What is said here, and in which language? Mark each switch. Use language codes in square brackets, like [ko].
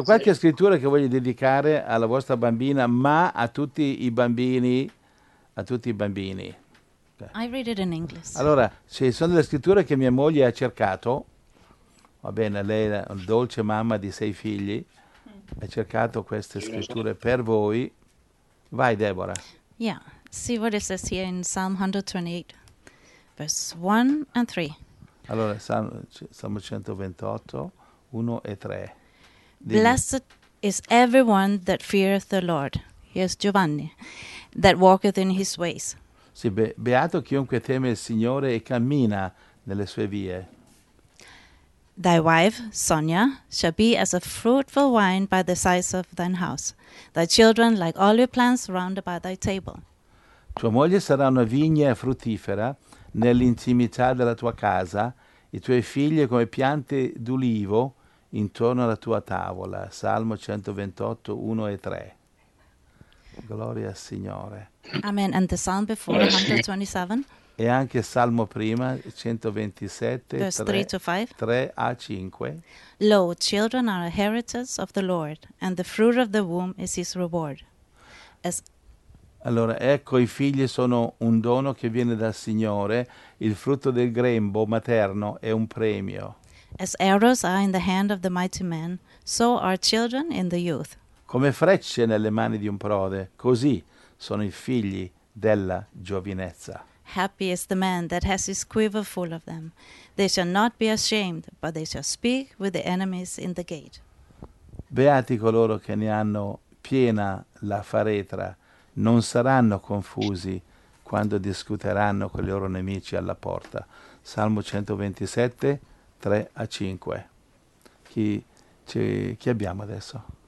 [it] qualche scrittura che voglio dedicare alla vostra bambina, ma a tutti i bambini, a tutti i bambini. [en] I read it in English. [it] Allora, ci sono delle scritture che mia moglie ha cercato, va bene, lei è una dolce mamma di 6 figli, ha cercato queste scritture per voi. Vai, Deborah. [en] Yeah, see what it says here in Psalm 128, verse 1 and 3. [it] Allora, Salmo 128. 1 e 3. Dimmi. [en] Blessed is everyone that feareth the Lord. Here's Giovanni, that walketh in his ways. [it] Sì, beato chiunque teme il Signore e cammina nelle sue vie. [en] Thy wife, Sonia, shall be as a fruitful vine by the sides of thine house, thy children like olive plants round about thy table. [it] Tua moglie sarà una vigna fruttifera nell'intimità della tua casa, i tuoi figli come piante d'ulivo intorno alla tua tavola, Salmo 128, 1 e 3. Gloria al Signore. [en] Amen. And the psalm before, [it] Ora sì. Verse 127, 3. E anche Salmo prima, 127, [en] 3 to 5. [it] 3 a 5. [en] Lo, children are a heritage of the Lord, and the fruit of the womb is his reward. [it] Allora, ecco, i figli sono un dono che viene dal Signore, il frutto del grembo materno è un premio. [en] As arrows are in the hand of the mighty man, so are children in the youth. [it] Come frecce nelle mani di un prode, così sono i figli della giovinezza. [en] Happy is the man that has his quiver full of them. They shall not be ashamed, but they shall speak with the enemies in the gate. [it] Beati coloro che ne hanno piena la faretra, non saranno confusi quando discuteranno con i loro nemici alla porta. Salmo 127, 3 a 5. Chi abbiamo adesso?